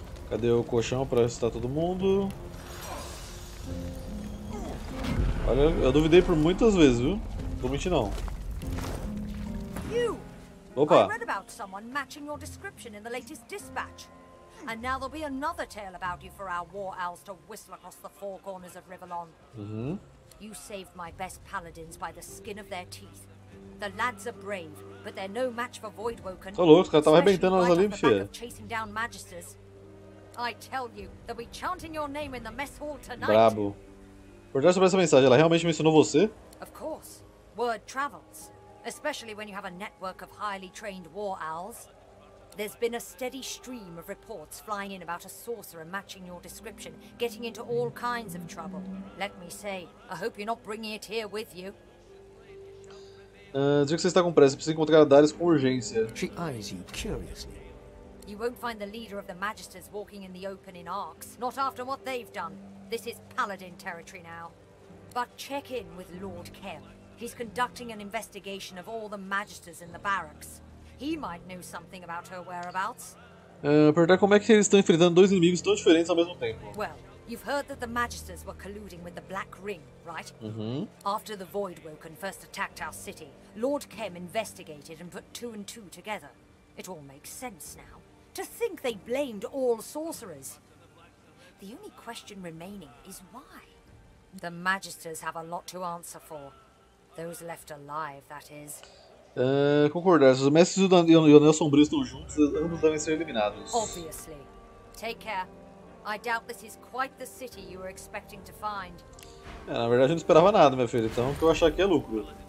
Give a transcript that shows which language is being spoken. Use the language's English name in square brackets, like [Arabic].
[Portuguese] Cadê o colchão para assustar todo mundo? Olha, eu duvidei por muitas vezes, viu? Não vou mentir, não. Opa! Eu li sobre alguém matchando sua descrição na última dispatch. [English] And now there'll be another tale about you for our war owls to whistle across the four corners of Rivalon. Mm-hmm. You saved my best paladins by the skin of their teeth. The lads are brave, but they're no match for Voidwoken. [Portuguese] Tá louco, os caras estavam arrebentando as olimpias. [English] Especially right off the back of chasing down magisters. I tell you, they'll be chanting your name in the mess hall tonight. [Portuguese] Brabo. Por trás dessa mensagem, ela realmente mencionou você? [English] Of course. Word travels. Especially when you have a network of highly trained war owls. There's been a steady stream of reports flying in about a sorcerer matching your description, getting into all kinds of trouble. Let me say, I hope you're not bringing it here with you. [Portuguese] Digo que você está com pressa, precisa encontrar a Darius com urgência. [English] She eyes you curiously. You won't find the leader of the Magisters walking in the open in ARX, not after what they've done. This is Paladin territory now. But check in with Lord Kemp. He's conducting an investigation of all the Magisters in the barracks. He might know something about her whereabouts. [Portuguese] Perguntar como é que eles estão enfrentando dois inimigos tão diferentes ao mesmo tempo. [English] Well, you've heard that the Magisters were colluding with the Black Ring, right? Uhum. After the Voidwoken first attacked our city, Lord Kem investigated and put two and two together. It all makes sense now. To think they blamed all sorcerers. The only question remaining is why? The Magisters have a lot to answer for. Those left alive, that is. [Portuguese] Concordar, se os mestres e o Anel Sombrio estão juntos, ambos devem ser eliminados. [English] Obviously. Take care. I doubt this is quite the city you were expecting to find. [Portuguese] É, na verdade eu não esperava nada, minha filha, então o que eu achar aqui é lucro.